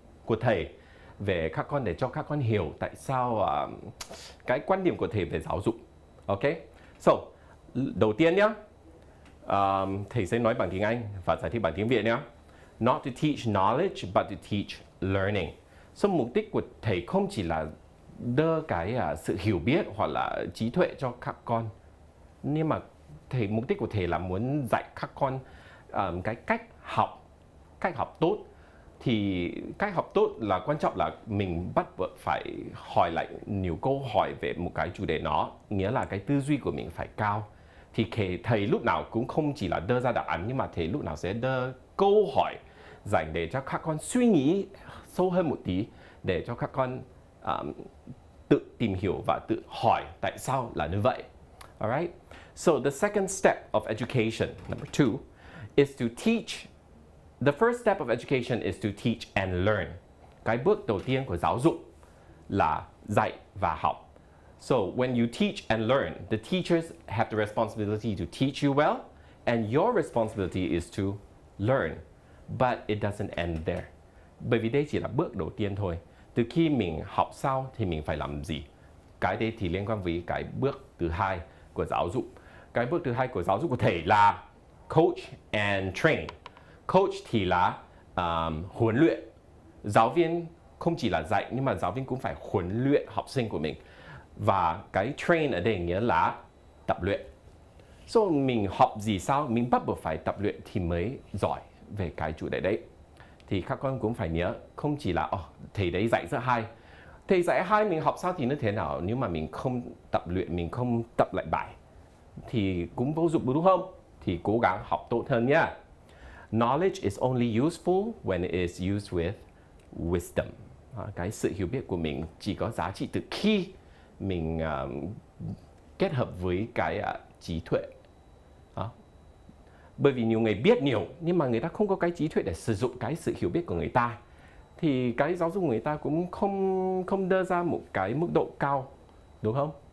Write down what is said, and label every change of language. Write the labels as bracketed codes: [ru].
[vi] Của thầy về các con để cho các con hiểu tại sao cái quan điểm của thầy về giáo dục. Ok, so đầu tiên nhá, thầy sẽ nói bằng tiếng Anh và giải thích bằng tiếng Việt nhá. [en] Not to teach knowledge but to teach learning. [vi] So mục đích của thầy không chỉ là đưa cái sự hiểu biết hoặc là trí tuệ cho các con, nhưng mà thầy, mục đích của thầy là muốn dạy các con cái cách học tốt. Thì cách học tốt là quan trọng là mình bắt buộc phải hỏi lại nhiều câu hỏi về một cái chủ đề nó. Nghĩa là cái tư duy của mình phải cao. Thì thầy lúc nào cũng không chỉ là đưa ra đáp án, nhưng mà thầy lúc nào sẽ đưa câu hỏi dành để cho các con suy nghĩ sâu hơn một tí. Để cho các con tự tìm hiểu và tự hỏi tại sao là như vậy. [en] Alright? So the second step of education, number two, is to teach. The first step of education is to teach and learn. [vi] Cái bước đầu tiên của giáo dục là dạy và học. [en] So when you teach and learn, the teachers have the responsibility to teach you well, and your responsibility is to learn. But it doesn't end there. [vi] Bởi vì đây chỉ là bước đầu tiên thôi. Từ khi mình học sau thì mình phải làm gì? Cái đấy thì liên quan với cái bước thứ hai của giáo dục. Cái bước thứ hai của giáo dục có thể là [en] coach and train. [vi] Coach thì là huấn luyện. Giáo viên không chỉ là dạy, nhưng mà giáo viên cũng phải huấn luyện học sinh của mình. Và cái train ở đây nghĩa là tập luyện. So mình học gì sao, mình bắt buộc phải tập luyện thì mới giỏi về cái chủ đề đấy. Thì các con cũng phải nhớ, không chỉ là thầy đấy dạy rất hay. Thầy dạy hay mình học sao thì nó thế nào, nhưng mà mình không tập luyện, mình không tập lại bài thì cũng vô dụng đúng không? Thì cố gắng học tốt hơn nhé. [en] Knowledge is only useful when it is used with wisdom. [vi] Cái sự hiểu biết của mình chỉ có giá trị từ khi mình kết hợp với cái trí tuệ. Bởi vì nhiều người biết nhiều, nhưng mà người ta không có cái trí tuệ để sử dụng cái sự hiểu biết của người ta. Thì cái giáo dục người ta cũng không đưa ra một cái mức độ cao, đúng không?